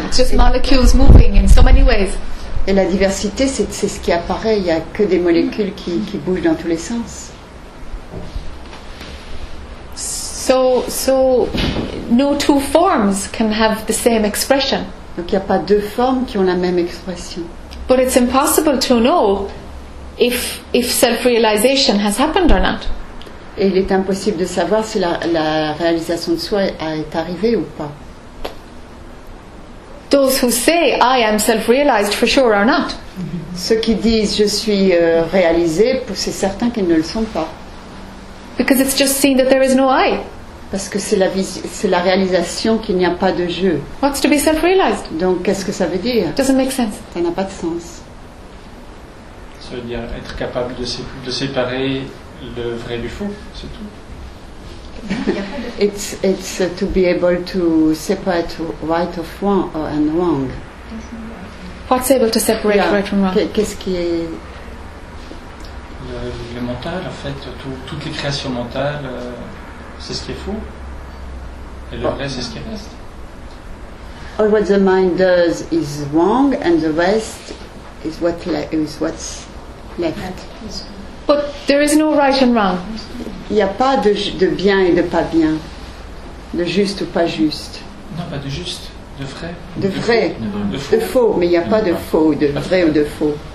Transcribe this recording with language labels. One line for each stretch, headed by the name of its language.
English: It's just molecules moving in so many ways.
French: Et la diversité, c'est ce qui apparaît. Il n'y a que des molécules qui bougent dans tous les sens.
English: So no two forms can have the same expression.
French: Donc il n'y a pas deux formes qui ont la même expression.
English: But it's impossible to know if self-realization has happened or not.
French: Et il est impossible de savoir si la réalisation de soi est arrivée ou pas.
English: Those who say I am self-realized for sure are not.
French: Ceux qui disent je suis réalisé, c'est certain qu'ils ne le sont pas.
English: Because it's just seen that there is no I.
French: Parce que c'est la réalisation qu'il n'y a pas de je.
English: What's to be self-realized?
French: Donc qu'est-ce que ça veut dire?
English: Doesn't make sense.
French: Ça n'a pas de sens. Ça veut dire être capable de séparer le vrai du faux, c'est tout.
English: It's to be able to separate right of wrong or and wrong. What's able to separate right from wrong?
French: Qu'est-ce qui est le mental, en fait, toutes les créations mentales, c'est ce qui est faux, et le vrai, c'est ce qui reste.
English: All what the mind does is wrong, and the rest is what's left. But there is no right and wrong.
French: Il n'y a pas de bien et de pas bien, de juste ou pas juste. Non, pas de juste, de vrai. De vrai. Faux. De faux. Mais il n'y a pas de faux, de vrai ou de faux.